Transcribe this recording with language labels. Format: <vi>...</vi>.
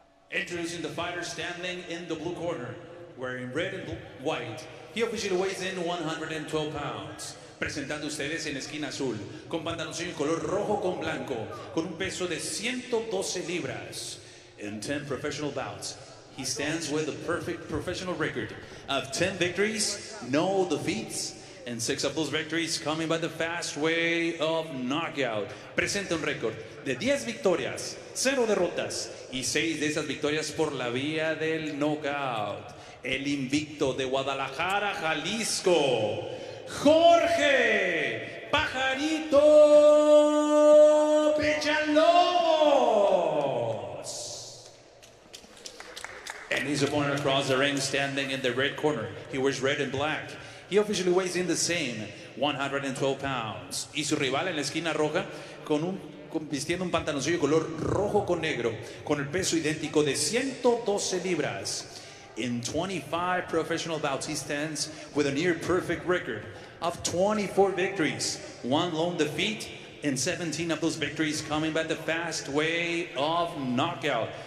<en>Introducing the fighter standing in the blue corner, wearing red and white. He officially weighs in 112 pounds.</en> <es>Presentando ustedes en esquina azul, con pantaloncillo en color rojo con blanco, con un peso de 112 libras.</es> <en>In 10 professional bouts, he stands with a perfect professional record of 10 victories, no defeats, and 6 of those victories coming by the fast way of knockout.</en> <es>Presenta un récord de 10 victorias, 0 derrotas, y 6 de esas victorias por la vía del knockout. El invicto de Guadalajara, Jalisco, Jorge Pajarito Villalobos.</es> <en>And his opponent across the ring, standing in the red corner. He wears red and black. He officially weighs in the same, 112 pounds.</en> <es>Y su rival en la esquina roja, con un vistiendo un pantaloncillo color rojo con negro, con el peso idéntico de 112 libras.</es> <en>In 25 professional bouts, he stands with a near perfect record of 24 victories, one lone defeat, and 17 of those victories coming by the fast way of knockout.</en>